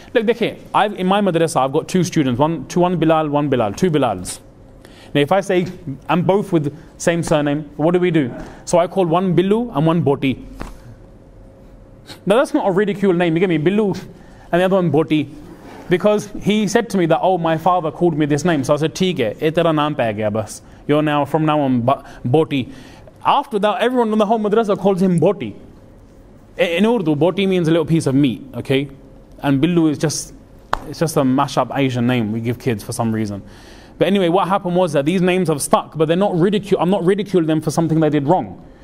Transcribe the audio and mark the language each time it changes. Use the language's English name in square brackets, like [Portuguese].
[English] Look, dekhe, in my madrasa, I've got two students, one Bilal, two Bilals. Now if I say, I'm both with same surname, what do we do? So I call one Billu and one Boti. Now that's not a ridicule name, you get me? Billu and the other one Boti. Because he said to me that, oh, my father called me this name. [Hindi] So I said, ठीक है, तेरा नाम पा गया बस. [English] You're now, from now on, Boti. After that, everyone in the whole madrasa calls him Boti. In Urdu, Boti means a little piece of meat, okay? And Billu is just, it's just a mashup Asian name we give kids for some reason. But anyway, what happened was that these names have stuck, but they're not ridicule. I'm not ridiculing them for something they did wrong.